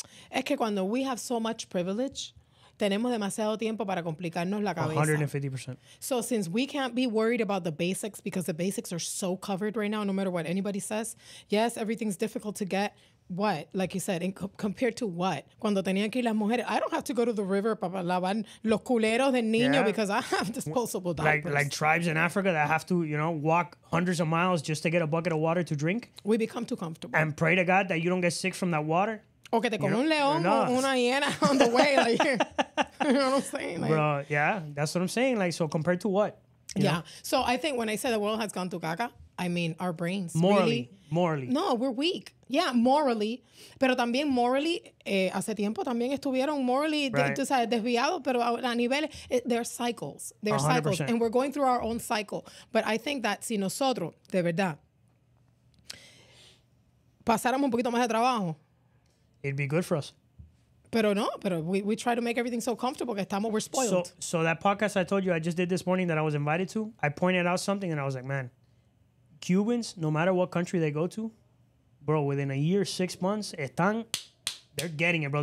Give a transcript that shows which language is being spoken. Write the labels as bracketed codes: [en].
[es] Es que cuando [en] we have so much privilege, [es] tenemos demasiado tiempo para complicarnos la cabeza. [en] 150%. So since we can't be worried about the basics, because the basics are so covered right now, no matter what anybody says, yes, everything's difficult to get. What? Like you said, compared to what? [es] Cuando tenían que ir las mujeres, [en] I don't have to go to the river [es] para lavar los culeros de niño [en] because I have disposable diapers. Like tribes in Africa that have to, you know, walk hundreds of miles just to get a bucket of water to drink. We become too comfortable. And pray to God that you don't get sick from that water. [es] O que te come un león o una hiena [en] on the way. Like, you know what I'm saying? Like, bro, yeah, that's what I'm saying. Like, so compared to what? You know? So I think when I say the world has gone to caca, I mean our brains. Morally. Really, morally. No, we're weak. Yeah, morally. [es] Pero también morally, hace tiempo también estuvieron morally desviados, pero a nivel, [en] they're cycles. They're 100%. Cycles. And we're going through our own cycle. But I think that [es] si nosotros, de verdad, pasáramos un poquito más de trabajo. [en] It'd be good for us. [es] Pero no, pero [en] we try to make everything so comfortable [es] que estamos, [en] we're spoiled. So that podcast I told you I just did this morning that I was invited to, I pointed out something and I was like, man, Cubans, no matter what country they go to, bro, within a year, 6 months, they're getting it, bro.